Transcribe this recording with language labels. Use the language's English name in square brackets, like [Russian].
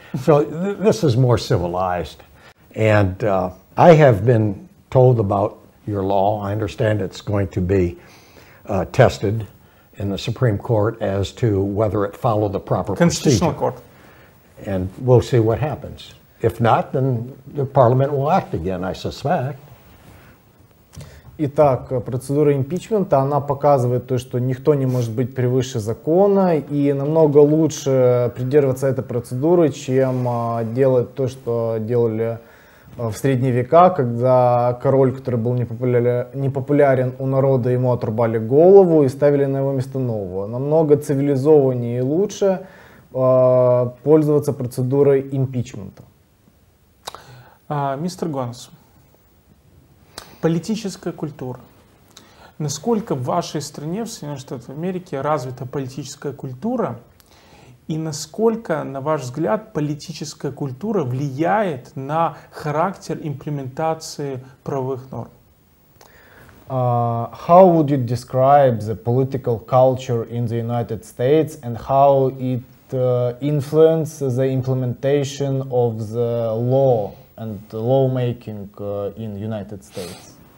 [English] So this is more civilized. And I have been told about your law. I understand it's going to be tested in the Supreme Court as to whether it followed the proper Constitutional procedure. Constitutional Court. And we'll see what happens. If not, then the Parliament will act again, I suspect. [Russian] Итак, процедура импичмента, она показывает то, что никто не может быть превыше закона, и намного лучше придерживаться этой процедуры, чем делать то, что делали в средние века, когда король, который был непопулярен у народа, ему отрубали голову и ставили на его место нового. Намного цивилизованнее и лучше пользоваться процедурой импичмента. Мистер Гонс. Политическая культура. Насколько в вашей стране, в Соединенных Штатах Америки, развита политическая культура? И насколько, на ваш взгляд, политическая культура влияет на характер имплементации правовых норм? [English] How would you describe the political culture in the United States and how it influences the implementation of the law and the lawmaking in United States?